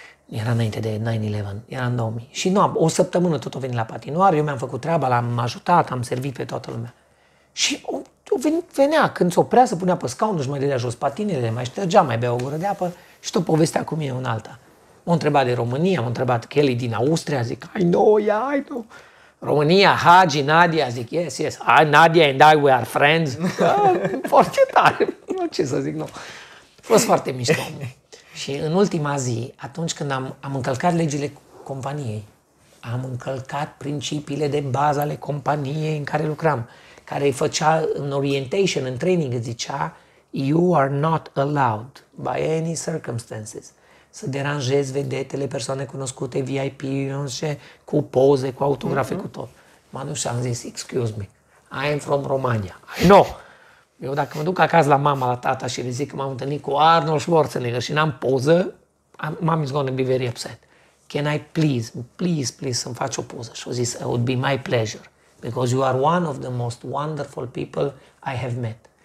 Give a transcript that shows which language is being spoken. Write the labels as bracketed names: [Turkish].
[Romanian] Era înainte de 9-11, era în 2000. Și nu, o săptămână tot o venit la patinoar, eu mi-am făcut treaba, l-am ajutat, am servit pe toată lumea. Și venea, când se oprea, se punea pe scaunul, și mai dădea jos patinele, mai ștergea, mai bea o gură de apă și tot povestea cu mine un alta. M-a întrebat de România, m-a întrebat Kelly din Austria, zic, [English] I know, yeah, I know. România, Hagi, Nadia, zic, yes, Nadia and I, we are friends. [Romanian] Foarte tare, nu ce să zic, nu. A fost foarte mișto. Și în ultima zi, atunci când am încălcat legile companiei, am încălcat principiile de bază ale companiei în care lucram, care făcea în orientation, în training, zicea, [English] you are not allowed by any circumstances [Romanian] să deranjezi vedetele, persoane cunoscute, VIP, cu poze, cu autografe, cu tot. M-am dus și am zis, [English] excuse me, I am from Romania. No! [Romanian] Eu dacă mă duc acasă la mama, la tata și le zic că m-am întâlnit cu Arnold Schwarzenegger și n-am poză, [English] mom is going to be very upset. Can I please, please, please [Romanian] să-mi faci o poză? Și au zis, [English] it would be my pleasure. Because you are one of the most wonderful people I have met.